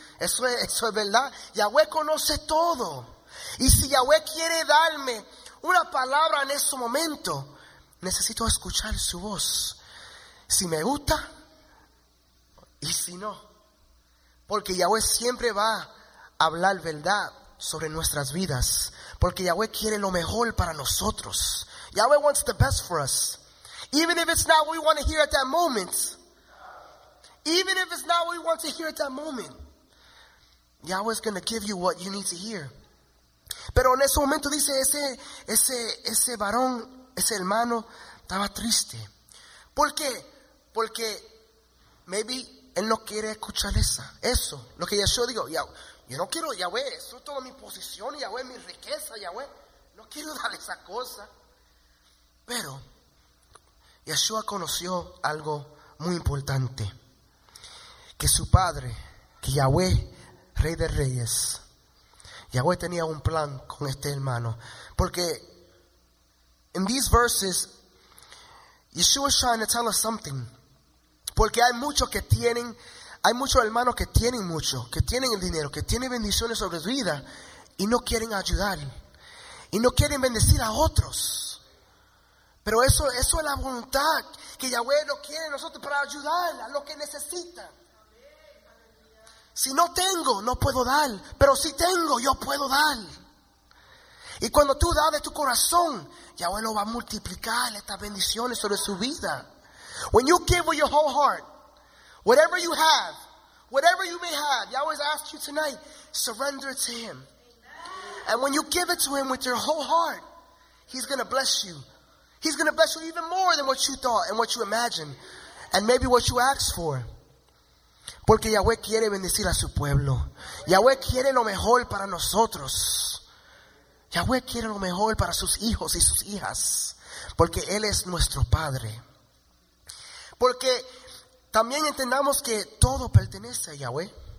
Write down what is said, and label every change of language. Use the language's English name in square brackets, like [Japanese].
[Spanish] Eso es verdad. Yahweh conoce todo. Y si Yahweh quiere darme una palabra en ese momento, necesito escuchar su voz. Si me gusta y si no. Porque Yahweh siempre va a hablar verdad sobre nuestras vidas. Porque Yahweh quiere lo mejor para nosotros. [English] Yahweh wants the best for us. Even if it's not what we want to hear at that moment. Even if it's not what we want to hear at that moment. Yahweh is going to give you what you need to hear. [Spanish] Pero en ese momento dice ese varón, ese hermano, estaba triste. ¿Por qué? Porque maybe él no quiere escuchar eso. Lo que Yeshua dijo, yo no quiero Yahweh, eso es toda mi posición, Yahweh, mi riqueza, Yahweh. No quiero dar esa cosa. Pero Yeshua conoció algo muy importante. Que su padre, que Yahweh, rey de reyes, Yahweh tenía un plan con este hermano. Porque en [English] these verses, Yeshua is trying to tell us something. [Spanish] Porque hay muchos hermanos que tienen mucho, que tienen el dinero, que tienen bendiciones sobre su vida y no quieren ayudar y no quieren bendecir a otros. Pero eso es la voluntad que Yahweh nos quiere a nosotros, para ayudar a los que necesitan. Si no tengo, no puedo dar, pero si tengo, yo puedo dar. Y cuando tú das de tu corazón, Yahweh lo va a multiplicar, estas bendiciones sobre su vida. [English] When you give with your whole heart, whatever you have, whatever you may have, Yahweh has asked you tonight, surrender to Him. Amen. And when you give it to Him with your whole heart, He's going to bless you. He's going to bless you even more than what you thought and what you imagined, and maybe what you asked for. [Spanish] Porque Yahweh quiere bendecir a su pueblo. Yahweh quiere lo mejor para nosotros. Yahweh quiere lo mejor para sus hijos y sus hijas. Porque Él es nuestro Padre. Porque también entendamos que todo pertenece a Yahweh.